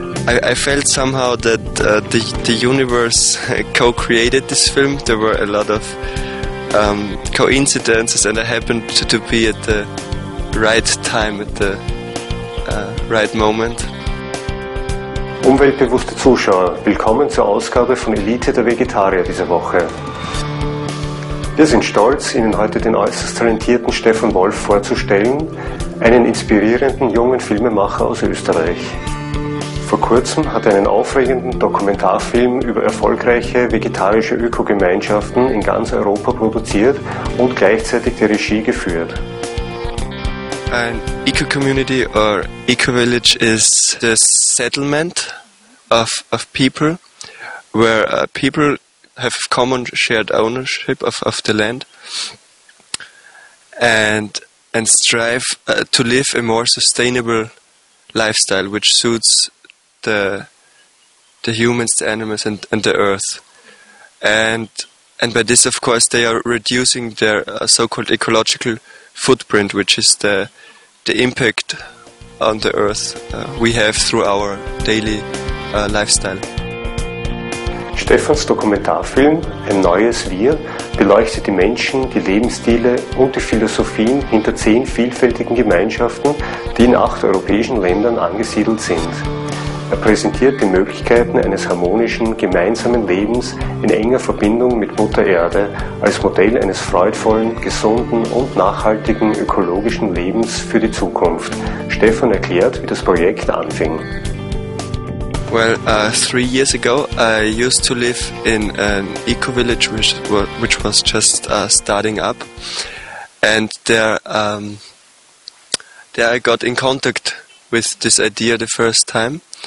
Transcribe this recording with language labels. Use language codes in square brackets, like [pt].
[en] I felt somehow that the universe co-created this film. There were a lot of coincidences, and I happened to be at the right time, at the right moment. [de] Umweltbewusste Zuschauer, willkommen zur Ausgabe von Elite der Vegetarier dieser Woche. Wir sind stolz, Ihnen heute den äußerst talentierten Stefan Wolf vorzustellen, einen inspirierenden jungen Filmemacher aus Österreich. Vor kurzem hat er einen aufregenden Dokumentarfilm über erfolgreiche vegetarische Ökogemeinschaften in ganz Europa produziert und gleichzeitig die Regie geführt. [en] Ein Eco-Community or Eco-Village is the settlement of people, where people have common shared ownership of the land and strive to live a more sustainable lifestyle, which suits the humans, the animals, and the earth, and by this, of course, they are reducing their so-called ecological footprint, which is the impact on the earth we have through our daily lifestyle. [de] Stefans Dokumentarfilm "Ein neues Wir" beleuchtet die Menschen, die Lebensstile und die Philosophien hinter 10 vielfältigen Gemeinschaften, die in 8 europäischen Ländern angesiedelt sind. Er präsentiert die Möglichkeiten eines harmonischen, gemeinsamen Lebens in enger Verbindung mit Mutter Erde als Modell eines freudvollen, gesunden und nachhaltigen ökologischen Lebens für die Zukunft. Stefan erklärt, wie das Projekt anfing. [en] Well, 3 years ago I used to live in an eco-village which was just starting up, and there I got in contact with this idea the first time.